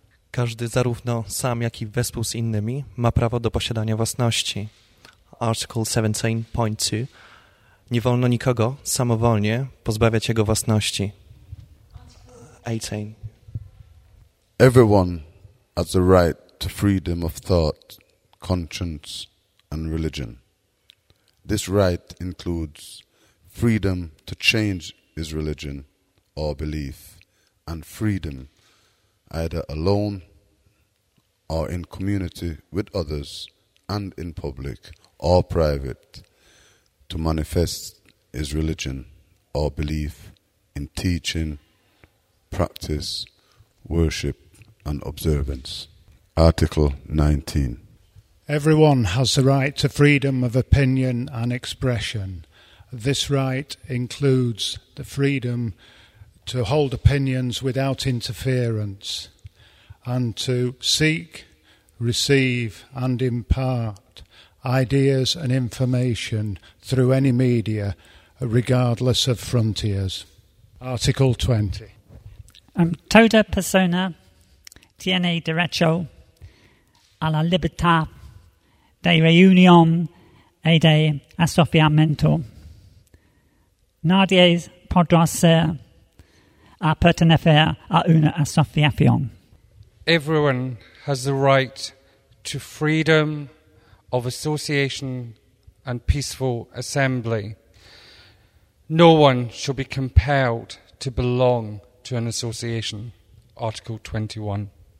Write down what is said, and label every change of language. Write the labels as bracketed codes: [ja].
[pl] Każdy, zarówno sam, jak i wespół z innymi, ma prawo do posiadania własności. Article 17.2. Nie wolno nikogo samowolnie pozbawiać jego własności. 18. [en] Everyone has the right to freedom of thought, conscience, and religion. This right includes freedom to change is religion or belief, and freedom, either alone or in community with others and in public or private, to manifest is religion or belief in teaching, practice, worship and observance. Article 19. Everyone has the right to freedom of opinion and expression. This right includes the freedom to hold opinions without interference and to seek, receive and impart ideas and information through any media, regardless of frontiers. Article 20. [es] Toda persona tiene derecho a la libertad de reunión y de asociamiento. Nadie podrá ser a pertenecer a una asociación. [en] Everyone has the right to freedom of association and peaceful assembly. No one shall be compelled to belong to an association. Article 21.